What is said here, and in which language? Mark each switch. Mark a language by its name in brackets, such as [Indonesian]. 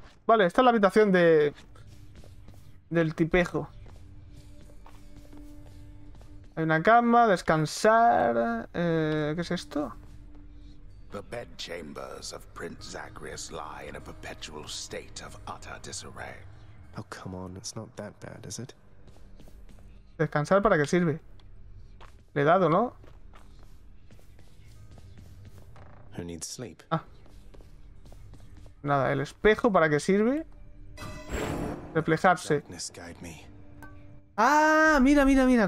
[Spanish] Vale, esta es la habitación de del tipejo. Hay una cama, descansar, ¿qué es esto? [English] The bedchambers of Prince Zagreus lie in a perpetual state of utter disarray. Oh, come on, it's not that bad, is it? [Spanish] ¿Descansar para qué sirve? Le he dado, ¿no? [English] Who needs sleep? [Spanish] Ah. Nada, el espejo, ¿para qué sirve? Reflejarse. ¡Ah! Mira, mira, mira.